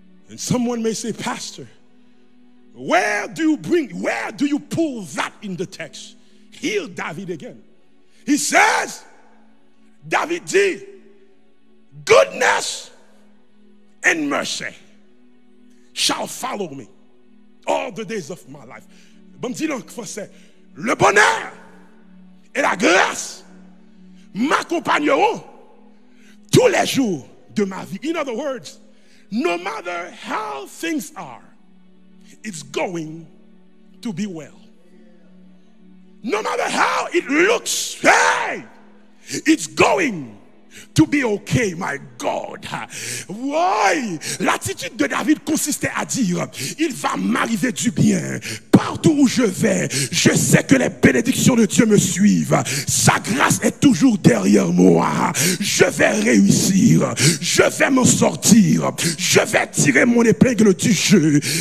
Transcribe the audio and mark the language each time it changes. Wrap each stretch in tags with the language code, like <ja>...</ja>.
<en>And someone may say, Pastor, where do you pull that in the text? Hear David again. He says, David did goodness and mercy shall follow me all the days of my life.</en> <fr>Bon, dis donc, français, le bonheur et la grâce m'accompagneront tous les jours de ma vie.</fr> <en>In other words, no matter how things are, it's going to be well. No matter how it looks, hey, it's going to be okay, my God. Why?</en> <fr>L'attitude de David consistait à dire, il va m'arriver du bien. Partout où je vais, je sais que les bénédictions de Dieu me suivent. Sa grâce est toujours derrière moi. Je vais réussir. Je vais m'en sortir. Je vais tirer mon épingle du jeu.</fr>